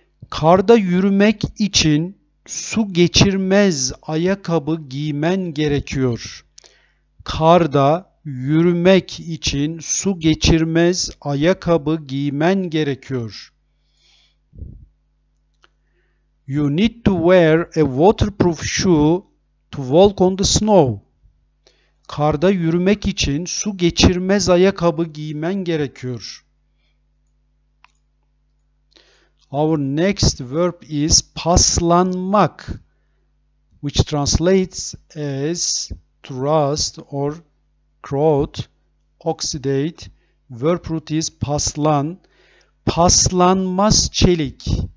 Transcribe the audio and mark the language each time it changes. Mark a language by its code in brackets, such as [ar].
[tr] Karda yürümek için su geçirmez ayakkabı giymen gerekiyor. Karda yürümek için su geçirmez ayakkabı giymen gerekiyor. [en] You need to wear a waterproof shoe to walk on the snow. [tr] Karda yürümek için su geçirmez ayakkabı giymen gerekiyor. [en] Our next verb is paslanmak, which translates as to rust or rot, oxidate. Verb root is paslan. [tr] Paslanmaz çelik.